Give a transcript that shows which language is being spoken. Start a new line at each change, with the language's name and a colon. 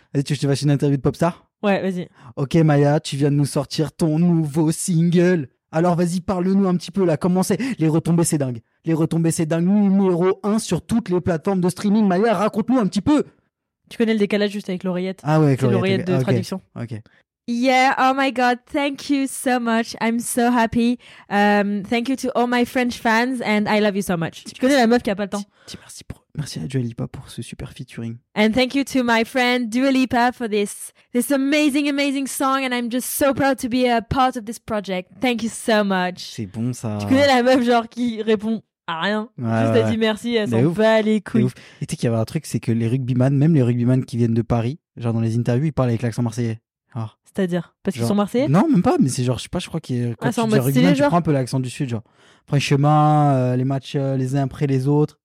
French: Vas-y, tu veux que je te fasse une interview de Popstar? Ouais, vas-y. Ok, Maya, tu viens de nous sortir ton nouveau single. Alors vas-y, parle-nous un petit peu là, comment c'est? Les retombées, c'est dingue. Les retombées, c'est dingue. Numéro 1 sur toutes les plateformes de streaming. Maya, raconte-nous un petit peu. Tu connais le décalage juste avec l'oreillette? Ah ouais, avec l'oreillette. C'est l'oreillette okay. De traduction. Okay.
English: Yeah, oh my god, thank you so much. I'm so happy. Thank you to all my French fans and I love you so much.
French: Tu connais la meuf qui a pas le temps? Merci à Dua Lipa pour ce super featuring.
English: And thank you to my friend Dua Lipa for this amazing, amazing song. And I'm just so proud to be a part of this project. Thank you so much.
French: C'est bon ça. Tu connais la meuf genre qui répond à rien. Ouais, juste ouais. À dire merci, elle s'en fout à l'écoute. Et tu sais qu'il y avait un truc, c'est que les rugbyman, même les rugbyman qui viennent de Paris, genre dans les interviews, ils parlent avec l'accent marseillais. Oh. C'est-à-dire? Parce qu'ils sont marseillais? Non, même pas, mais c'est genre, je sais pas, je crois qu'il y a, quand ah, tu dis rugbyman, tu prends un peu l'accent du sud, genre. Après le chemin, les matchs les uns après les autres.